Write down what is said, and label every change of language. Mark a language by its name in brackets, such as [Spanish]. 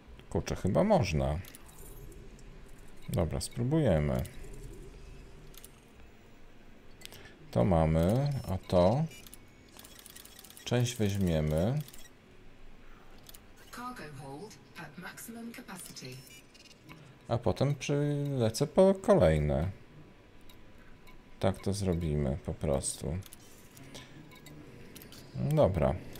[Polish] Kurczę, chyba można. Dobra, spróbujemy. To mamy, a to część weźmiemy. [English] Cargo hold at maximum capacity. [Polish] A potem przylecę po kolejne. Tak to zrobimy po prostu. Dobra.